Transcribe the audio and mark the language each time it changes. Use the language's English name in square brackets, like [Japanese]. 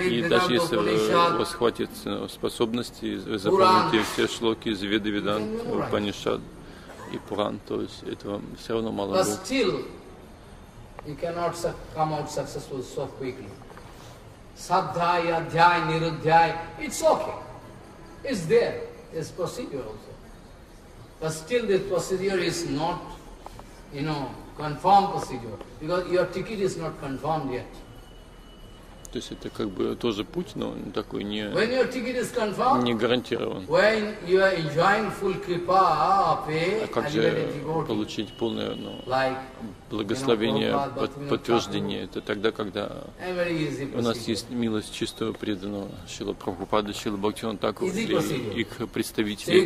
[Russian] И даже если у вас хватит способности, вы запомните все шлоки из Веды, Веданту, Упанишад и Пуран, то есть этого все равно мало будет. [English] This procedure also, but still this procedure is not, you know, confirmed procedure because your ticket is not confirmed yet. [Russian] То есть это как бы тоже путь, но такой не. [English] When your ticket is confirmed. [Russian] Не гарантирован. [English] When you are enjoying full kripa, pay. [Russian] А как же получить полное, ну, благословение, подтверждение? Это тогда, когда у нас есть милость чистого преданного Шрила Прабхупады, Шрила Бхактивинодаку и их представителей.